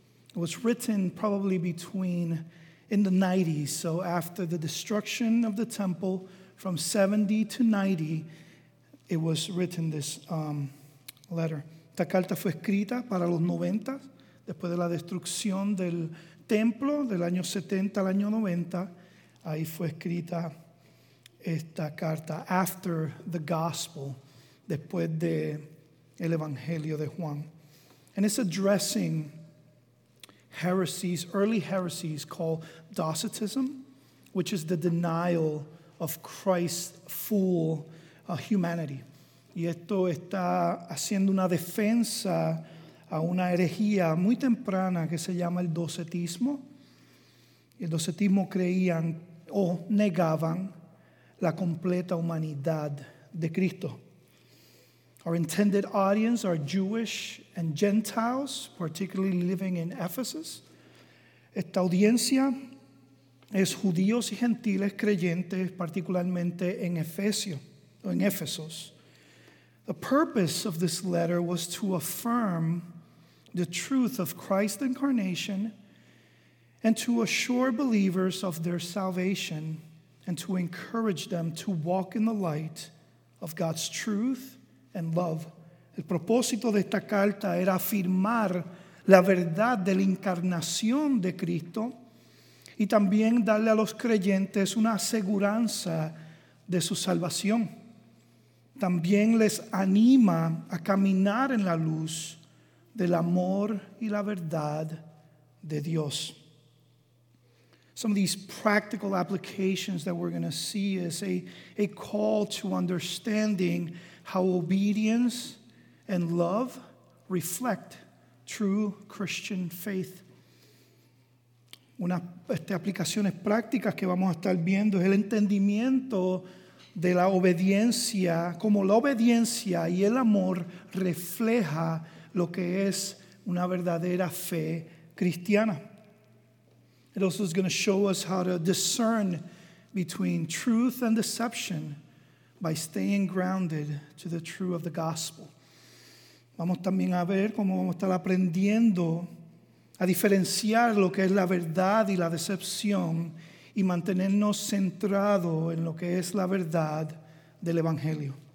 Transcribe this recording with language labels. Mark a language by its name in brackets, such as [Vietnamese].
[English] It was written probably in the 90s, so after the destruction of the temple from 70 to 90, it was written this letter. [Spanish] Esta carta fue escrita para los 90, después de la destrucción del templo del año 70 al año 90, ahí fue escrita esta carta, [English] after the gospel, [Spanish] después de el evangelio de Juan. [English] And it's addressing heresies, early heresies called Docetism, which is the denial of Christ's full humanity. [Spanish] Y esto está haciendo una defensa a una herejía muy temprana que se llama el docetismo. El docetismo creían o negaban la completa humanidad de Cristo. [English] Our intended audience are Jewish and Gentiles, particularly living in Ephesus. [Spanish] Esta audiencia es judíos y gentiles creyentes, particularmente en Efesio, o en Éfesos. [English] The purpose of this letter was to affirm the truth of Christ's incarnation and to assure believers of their salvation and to encourage them to walk in the light of God's truth and love. [Spanish] El propósito de esta carta era afirmar la verdad de la encarnación de Cristo y también darle a los creyentes una aseguranza de su salvación. También les anima a caminar en la luz del amor y la verdad de Dios. [English] Some of these practical applications that we're going to see is a call to understanding how obedience and love reflect true Christian faith. [Spanish] Una aplicaciones prácticas que vamos a estar viendo es el entendimiento de la obediencia, como la obediencia y el amor refleja lo que es una verdadera fe cristiana. [English] It also is going to show us how to discern between truth and deception by staying grounded to the truth of the gospel. [Spanish] Vamos también a ver cómo vamos a estar aprendiendo a diferenciar lo que es la verdad y la decepción y mantenernos centrado en lo que es la verdad del evangelio.